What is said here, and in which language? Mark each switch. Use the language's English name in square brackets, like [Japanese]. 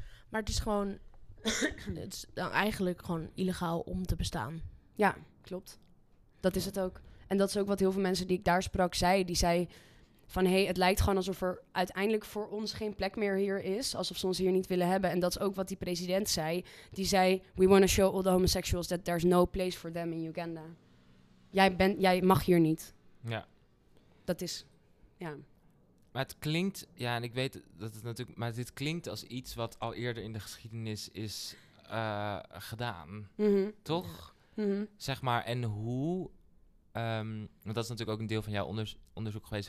[Dutch] Maar het is gewoon, het is dan eigenlijk gewoon illegaal om te bestaan. Ja, klopt. Dat is het ook. En dat is ook wat heel veel mensen die ik daar sprak zei. Die zei van, hey, het lijkt gewoon alsof er uiteindelijk voor ons geen plek meer hier is. Alsof ze ons hier niet willen hebben. En dat is ook wat die president zei. Die zei, [English] we want to show all the homosexuals that there's no place for them in Uganda. [Dutch] Jij mag hier niet. Ja. Dat is, ja. Maar het klinkt, ja, en ik weet dat het natuurlijk, maar dit klinkt als iets wat al eerder in de geschiedenis is gedaan. Toch? Zeg maar, en hoe, want dat is natuurlijk ook een deel van jouw onderzoek geweest.